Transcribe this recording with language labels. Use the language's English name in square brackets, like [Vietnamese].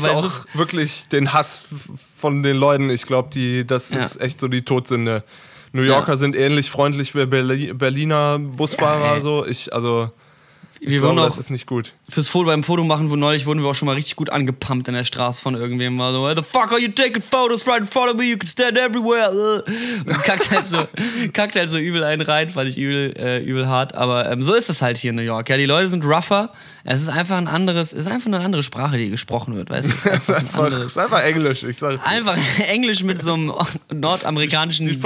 [German] Da kriegst du auch wirklich den Hass von den Leuten. Ich glaube, das ist echt so die Todsünde. New Yorker sind ähnlich freundlich wie Berliner Busfahrer. Ja. So. Das ist nicht gut. Fürs Foto beim Foto machen, wo neulich wurden wir auch schon mal richtig gut angepumpt in der Straße von irgendwem. War so, [English] the fuck are you taking photos right in front of me? You can stand everywhere. [German] Und kackt halt so übel einen rein, fand ich übel hart. Aber so ist das halt hier in New York. Ja, die Leute sind rougher. Es ist einfach eine andere Sprache, die gesprochen wird, weißt du? Es ist einfach Englisch, ich sag's. Einfach Englisch mit so einem nordamerikanischen Dialekt.